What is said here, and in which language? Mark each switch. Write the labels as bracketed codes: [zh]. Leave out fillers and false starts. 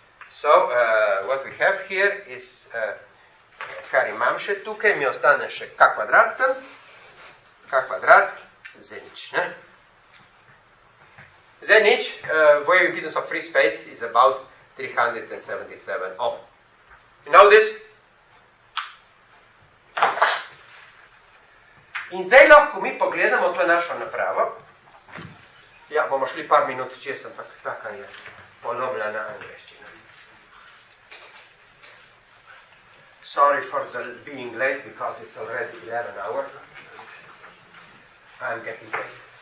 [en] So, what we have here is, [sl] kar imam še tukaj, mi ostane še k kvadrat, k kvadrat, zenič, ne? [en] Zenič, wave impedance of free space is about 377 ohm. You know this? [sl] In zdaj lahko mi pogledamo, to je naša naprava. Ja, bomo šli par minut čez, ampak taka je polomljena angleščina. [en] Sorry for the being late, because it's already 11 hours. I'm getting late.